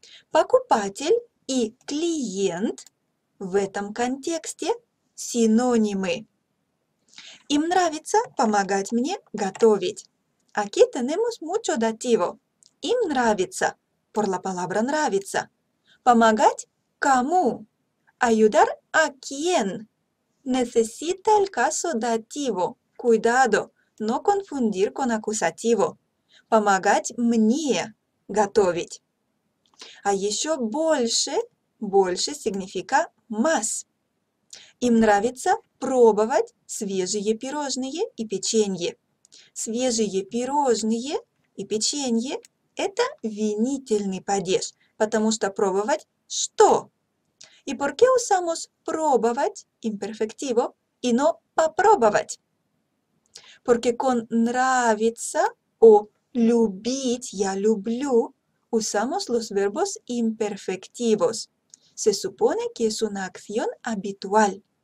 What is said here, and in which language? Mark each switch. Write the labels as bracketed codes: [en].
[ru] Покупатель и клиент в этом контексте синонимы. Им нравится помогать мне готовить. [es] Aquí tenemos mucho dativo. [ru] Им нравится. [es] Por la palabra нравится. [ru] Помогать кому? [es] Ayudar a quién? Necesita el caso dativo. Cuidado, no confundir con acusativo. [ru] Помогать мне готовить. А еще больше, больше [es] significa más. [ru] Им нравится пробовать свежие пирожные и печенье. Свежие пирожные и печенье – это винительный падеж, потому что пробовать что? [es] И por qué usamos пробовать, imperfectivo, y no попробовать? Porque con нравится o любить, я люблю, usamos los verbos imperfectivos. Se supone que es una acción habitual.